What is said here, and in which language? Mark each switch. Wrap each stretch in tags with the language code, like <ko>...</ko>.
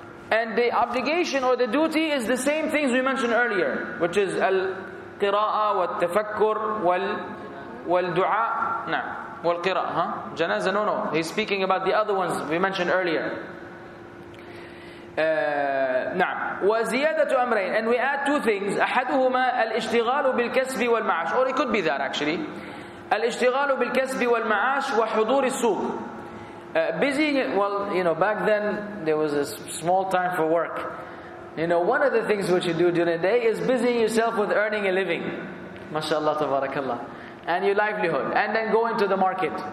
<en>And the obligation or the duty is the same things we mentioned earlier, which is</en> <ar>القراءة والتفكر والدعاء. نعم. والقراءة,</ar> <en>huh? جنازة, no. He's speaking about the other ones we mentioned earlier.</en> <ar>نعم. وزيادة أمرين.</ar> <en>And we add two things.</en> <ar>أحدهما الاشتغال بالكسب والمعاش.</ar> <en>Or it could be that actually.</en> <ar>الاشتغال بالكسب والمعاش وحضور السوق.</ar> <en>Busy. Well, you know, back then there was a small time for work. You know, one of the things which you do during the day is busying yourself with earning a living. MashaAllah, tabarakAllah. And your livelihood, and then go into the market.</en>